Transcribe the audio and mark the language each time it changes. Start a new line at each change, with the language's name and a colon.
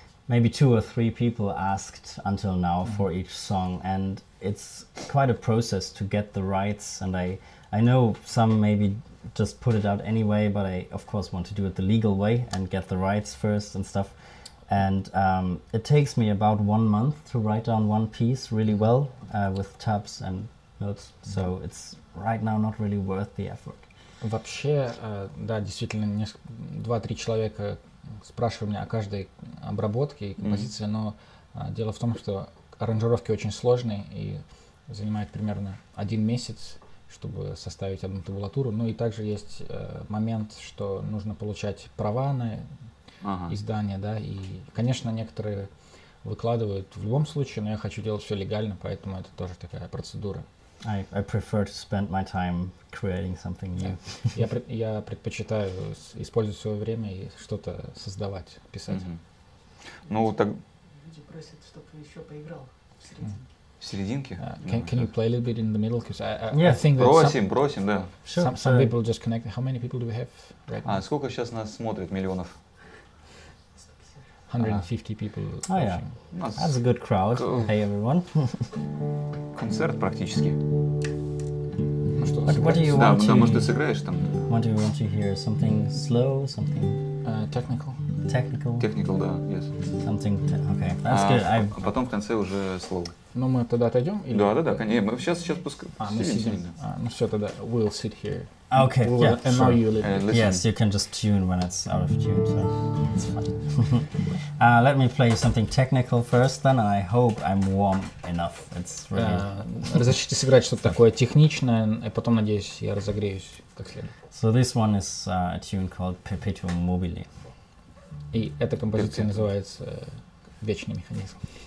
English: maybe two or three people asked until now mm-hmm. for each song, and it's quite a process to get the rights, and I know some maybe just put it out anyway, but I of course want to do it the legal way and get the rights first and stuff. And it takes me about 1 month to write down one piece really well with tabs and notes. So mm-hmm. it's right now not really worth the effort.
Russian: Вообще, да, действительно, 2-3 человека спрашивают меня о каждой обработке и композиции, mm-hmm. но дело в том, что аранжировки очень сложные и занимает примерно один месяц, чтобы составить одну табулатуру. Ну и также есть момент, что нужно получать права на uh-huh. издание, да, и, конечно, некоторые выкладывают в любом случае, но я хочу делать все легально, поэтому это тоже такая процедура.
English: I prefer to spend my time creating something new.
Russian: Я предпочитаю использовать свое время и что-то создавать, писать. Mm-hmm. Ну, так... Люди просят, чтобы ты еще поиграл в серединке. В серединке?
English: Can you play a little bit in the middle? Because yeah. I think that
Russian: бросим, да.
English: Sure. Some people just connected. How many people do we have right now?
Russian: А сколько сейчас нас смотрит, миллионов?
English: 150 people watching. Oh, yeah. That's a good crowd. Hey, everyone.
Russian: Концерт практически. Ну что,
English: but what do you want
Russian: да, может, ты сыграешь там.
English: What do you want to hear? Something slow, something... Technical. Technical? Technical, да, yes. Something... Okay, that's good.
Russian: А потом в конце уже slow. Ну, мы тогда отойдем? Или... Да, конечно. Мы сейчас пускаем. А, мы сидим. Ну все, тогда
English: we'll sit here. Okay, we'll yeah, and now you live. Yes, you can just tune when it's out of tune, so it's fine. let me play you something technical first, then I hope I'm warm enough. It's really...
Russian: Разрешите сыграть что-то такое техничное, и потом, надеюсь, я разогреюсь как следует.
English: So this one is a tune called Perpetuum Mobile.
Russian: И эта композиция называется «Вечный механизм».